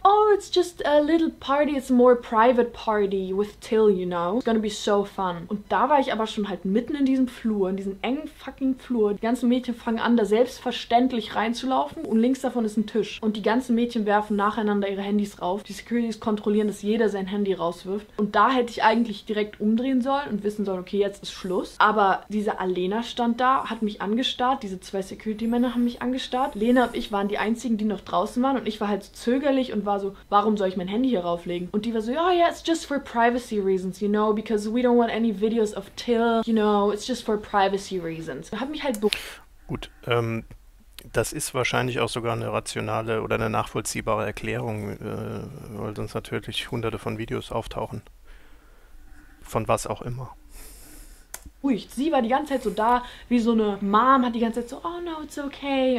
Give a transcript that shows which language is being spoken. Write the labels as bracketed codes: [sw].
[en] Oh, it's just a little party, it's a more private party with Till, you know. It's gonna be so fun. [de] Und da war ich aber schon halt mitten in diesem Flur, in diesem engen fucking Flur. Die ganzen Mädchen fangen an, da selbstverständlich reinzulaufen und links davon ist ein Tisch. Und die ganzen Mädchen werfen nacheinander ihre Handys rauf. Die Securities kontrollieren, dass jeder sein Handy rauswirft. Und da hätte ich eigentlich direkt umdrehen sollen und wissen sollen, okay, jetzt ist Schluss. Aber diese Alena stand da, hat mich angestarrt. Diese zwei Security-Männer haben mich angestarrt. Lena und ich waren die einzigen, die noch draußen waren. Und ich war halt so zögerlich und war so, warum soll ich mein Handy hier rauflegen? Und die war so, [en] oh yeah, it's just for privacy reasons, you know, because we don't want any videos of Till, you know, it's just for privacy reasons. [de] Hat mich halt gut, das ist wahrscheinlich auch sogar eine rationale oder eine nachvollziehbare Erklärung, weil sonst natürlich hunderte von Videos auftauchen. Von was auch immer. Ruhig. Sie war die ganze Zeit so da, wie so eine Mom, hat die ganze Zeit so, [en] oh no, it's okay.